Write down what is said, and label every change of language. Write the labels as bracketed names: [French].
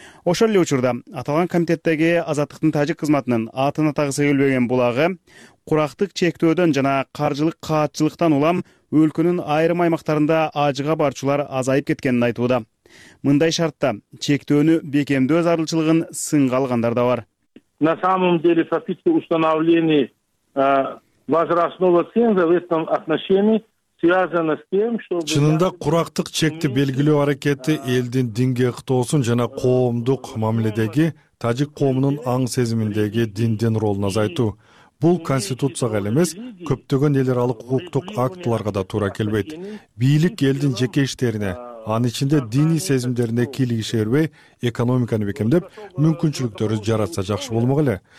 [Kyrgyz] Ошол эле учурда аталган комитеттеги азаттыктын тажик кызматынын атын атагысы келбеген булагы курактык чектөөдөн жана каржылык каатчылыктан улам өлкөнүн айрым аймактарында ажыга барчулар азайып кеткенин айтууда. Мындай шартта чектөөнү бекемдөө зарылчылыгын сынга алгандар да бар. [Russian] На самом деле фактически установление возрастного ценза в этом отношении связано с тем, что [Kyrgyz] чынында курактык чекти белгилөө аракети элдин динге ыктоосун жана коомдук мамиледеги тажик коомунун аң сезиминдеги диндин ролун азайтуу. Бул конституцияга эле эмес, көптөгөн эл аралык укуктук актыларга да туура келбейт. Бийлик элдин жеке иштерине, анын ичинде диний сезимдерине кийлигише бербей, экономиканы бекемдеп, мүмкүнчүлүктөрдү жаратса жакшы болмок эле.